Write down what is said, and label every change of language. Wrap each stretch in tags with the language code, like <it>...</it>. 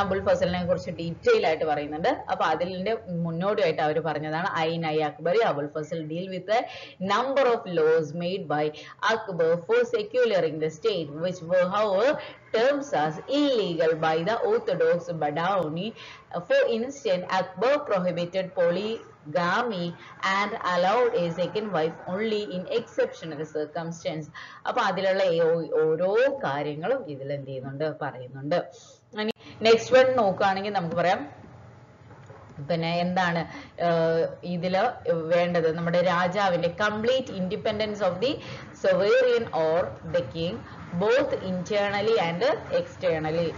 <ml>അബുൽ ഫസലിനെ കുറിച്ച് ഡീറ്റെയിൽ ആയിട്ട് പറയുന്നുണ്ട്. അപ്പൊ അതിലിന്റെ മുന്നോടിയായിട്ട് അവർ പറഞ്ഞതാണ് ഐൻ I Akbari,</ml> <en>Abul Fazal deal with a number of laws made by Akbar for secularising the state which were how terms as illegal by the orthodox Badawi. For instance, Akbar prohibited polygamy and allowed a second wife only in exceptional circumstances.</en> <ml>അപ്പൊ അതിലുള്ള ഓരോ കാര്യങ്ങളും ഇതിൽ എന്ത് ചെയ്യുന്നുണ്ട്, പറയുന്നുണ്ട്.</ml> <en>next one</en> <ml>നോക്കുകയാണെങ്കിൽ നമുക്ക് പറയാം പിന്നെ എന്താണ് ഇതില് വേണ്ടത്, നമ്മുടെ രാജാവിന്റെ</ml> <en>Complete independence of the sovereign or the king both internally and externally.</en>